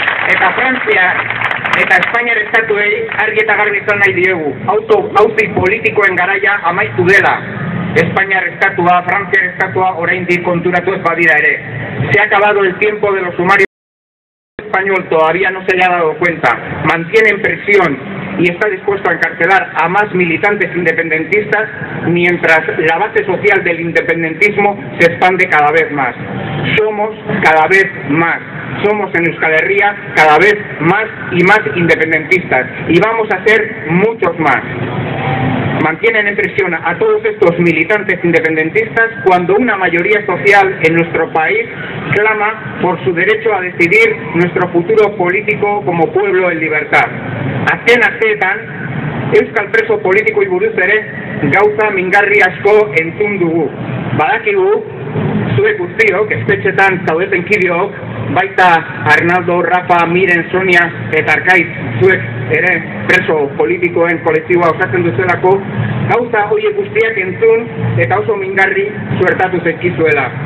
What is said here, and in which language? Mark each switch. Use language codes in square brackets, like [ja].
[eu] Eta Frantzia eta Espainiar estatuei argi eta garbi izan nahi diegu, auzi politikoen garaia amaitu dela. Espainiar estatua, Frantziar estatua oraindik konturatu ez badira ere. [es] Se ha acabado el tiempo de los sumarios español, todavía no se le ha dado cuenta. Mantienen presión y está dispuesto a encarcelar a más militantes independentistas mientras la base social del independentismo se expande cada vez más. Somos cada vez más. Somos en Euskal Herria cada vez más y más independentistas y vamos a ser muchos más. Mantienen en prisión a todos estos militantes independentistas cuando una mayoría social en nuestro país clama por su derecho a decidir nuestro futuro político como pueblo en libertad. [eu] Azken asteetan, euskal preso politikoi buruz ere gauza mingarri asko entzun dugu. Badakigu, zuek guztiok, espetxetan zaudeten kideok, baita Arnaldo, Rafa, Miren, Sonia eta Arkaitz, zuek ere preso politikoen kolektiboa osatzen duzuelako, gauza horiek guztiak entzun eta oso mingarri suertatu zekizuela.